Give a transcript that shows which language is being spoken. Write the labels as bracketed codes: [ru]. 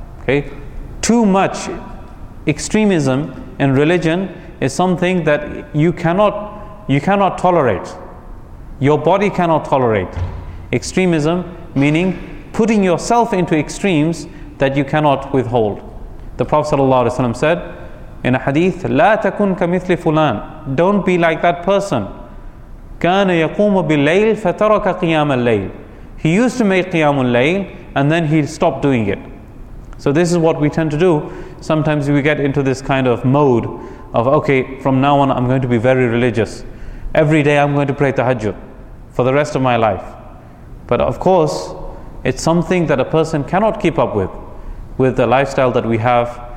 [en] Okay, too much extremism in religion is something that you cannot tolerate. Your body cannot tolerate extremism, meaning putting yourself into extremes that you cannot withhold. The Prophet ﷺ said in a hadith, [ar] لا تكن كمثل فلان. [en] Don't be like that person. [ar] كان يقوم بالليل فترك قيام الليل. [en] He used to make [ar] قيام الليل [en] and then he stopped doing it. So this is what we tend to do. Sometimes we get into this kind of mode of, okay, from now on I'm going to be very religious. Every day I'm going to pray tahajjud for the rest of my life. But of course, it's something that a person cannot keep up with the lifestyle that we have.